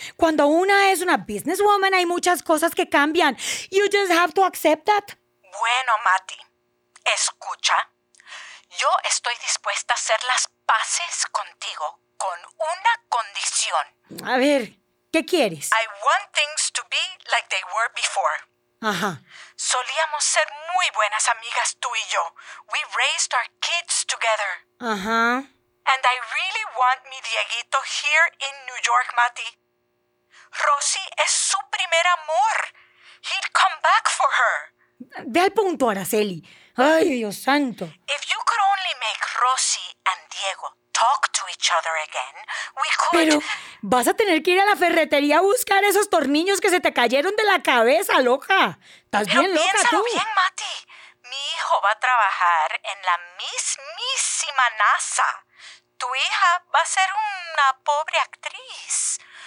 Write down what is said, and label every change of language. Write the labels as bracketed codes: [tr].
[es] Cuando una es una businesswoman, hay muchas cosas que cambian. [en] You just have to accept that. [es] Bueno, Matty, escucha. Yo estoy dispuesta a hacer las paces contigo con una condición. A ver, ¿qué quieres? [en] I want things to be like they were before. [es] Ajá. Solíamos ser muy buenas amigas tú y yo. [en] We raised our kids together. [es] Ajá. [en] And I really want [es] mi [en] Dieguito here in New York, Matty. Rosy [es] es su primer amor. [en] He'd come back for her. [es] Ve al punto, Araceli. Ay, Dios santo. [en] If you could only make Rosy and Diego talk to each other again, we could... [es] Pero vas a tener que ir a la ferretería a buscar esos tornillos que se te cayeron de la cabeza, loca. Estás bien loca, tú. Pero piénsalo bien, Matty. Mi hijo va a trabajar en la mismísima NASA. Tu hija va a ser una pobre actriz.